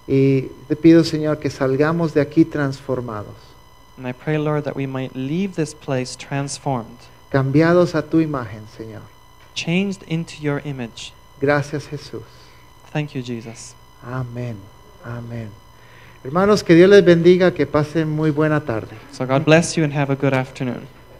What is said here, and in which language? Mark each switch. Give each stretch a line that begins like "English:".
Spanish: Y te pido, Señor, que salgamos de aquí transformados.
English: And I pray, Lord, that we might leave this place transformed.
Spanish: Cambiados a tu imagen, Señor.
English: Changed into your image.
Spanish: Gracias, Jesús.
English: Thank you, Jesus.
Spanish: Amén. Amén. Hermanos, que Dios les bendiga, que pasen muy buena tarde.
English: So God bless you and have a good afternoon.